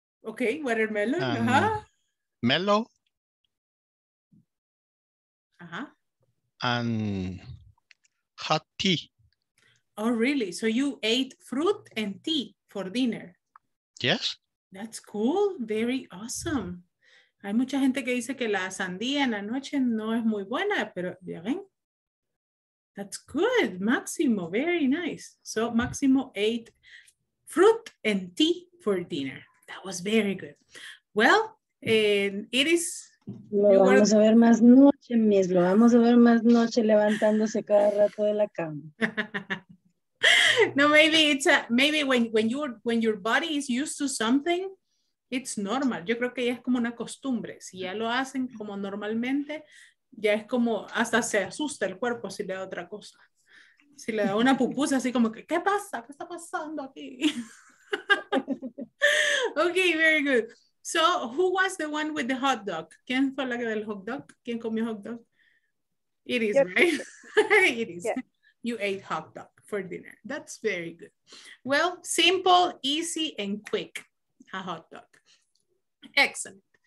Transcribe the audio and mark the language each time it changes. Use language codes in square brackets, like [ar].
[en] Okay, watermelon, uh-huh. Melo. Uh-huh. And hot tea. Oh, really? So you ate fruit and tea for dinner? Yes. That's cool, very awesome. [es] Hay mucha gente que dice que la sandía en la noche no es muy buena, pero ya ven. [en] That's good, Máximo, very nice. So Máximo ate fruit and tea for dinner. That was very good. Well, it is... [es] Vamos a ver más noche, Miss. Lo vamos a ver más noche levantándose cada rato de la cama. [en] No, maybe it's a... Maybe when your body is used to something... It's normal. [es] Yo creo que ya es como una costumbre. Si ya lo hacen como normalmente, ya es como hasta se asusta el cuerpo si le da otra cosa. Si le da una pupusa, así como que, ¿qué pasa? ¿Qué está pasando aquí? [en] Okay, very good. So, who was the one with the hot dog? [es] ¿Quién fue la que del hot dog? ¿Quién comió hot dog? [en] It is, yep. Right? It is. Yeah. You ate hot dog for dinner. That's very good. Well, simple, easy, and quick. A hot dog. Excellent.